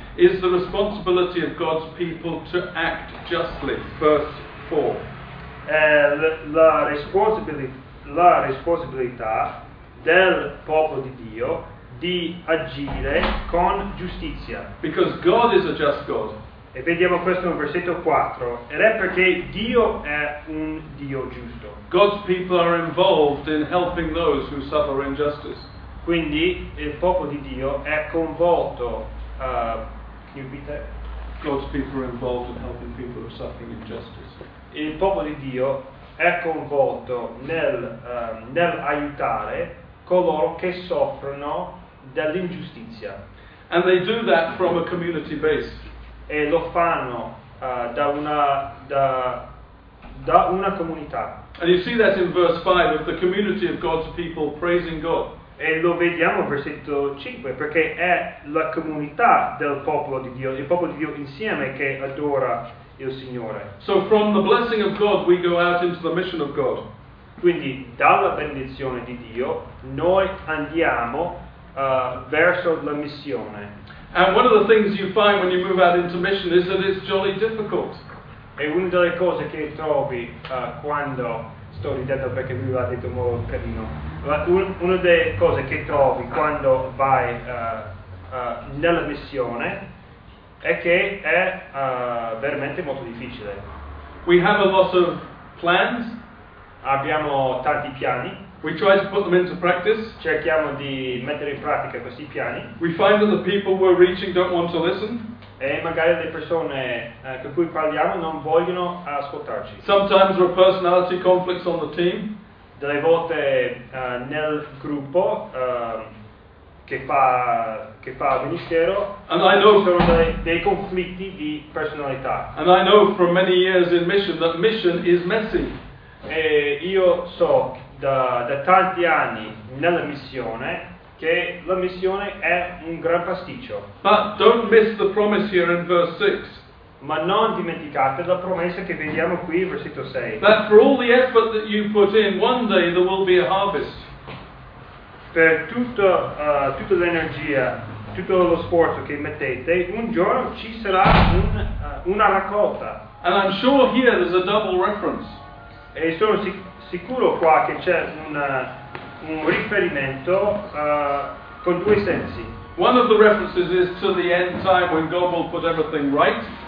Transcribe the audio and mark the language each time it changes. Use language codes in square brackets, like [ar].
[en] is the responsibility of God's people to act justly, verse 4. [it] La responsabilità del popolo di Dio di agire con giustizia. [en] Because God is a just God. [it] E vediamo questo in versetto 4. Ed è perché Dio è un Dio giusto. [en] God's people are involved in helping those who suffer injustice. [it] Quindi il popolo di Dio è coinvolto. [en] Can you repeat that? God's people are involved in helping people who are suffering injustice. [it] Il popolo di Dio è coinvolto nel aiutare coloro che soffrono dell'ingiustizia. [en] And they do that from a community base. [it] E lo fanno da una comunità. [en] And you see that in verse 5 of the community of God's people praising God. [it] E lo vediamo in versetto 5 perché è la comunità del popolo di Dio, il popolo di Dio insieme che adora il Signore. [en] So from the blessing of God we go out into the mission of God. [it] Quindi dalla benedizione di Dio noi andiamo verso la missione. [en] And one of the things you find when you move out into mission is that it's jolly difficult. [it] E una delle cose che trovi quando sto ridendo perché mi va detto molto carino. Una delle cose che trovi quando vai nella missione è che è veramente molto difficile. [en] We have a lot of plans. [it] Abbiamo tanti piani. [en] We try to put them into practice. [it] Cerchiamo di mettere in pratica questi piani. [en] We find that the people we're reaching don't want to listen. [it] E magari le persone con cui parliamo non vogliono ascoltarci. [en] Sometimes there are personality conflicts on the team. [it] Delle volte nel gruppo che fa ministero, [en] and I know, [it] ci sono dei conflitti di personalità. [en] And I know from many years in mission that mission is messy. [it] E io so da tanti anni nella missione che la missione è un gran pasticcio. [en] But don't miss the promise here in verse 6. [it] Ma non dimenticate la promessa che vediamo qui in versetto 6. [en] That for all the effort that you put in, one day there will be a harvest. [it] Per tutta l'energia, tutto lo sforzo che mettete, un giorno ci sarà una raccolta. [en] And I'm sure here there's a double reference. [it] E sono sicuro qua che c'è un riferimento con due sensi. [en] One of the references is to the end time when God will put everything right.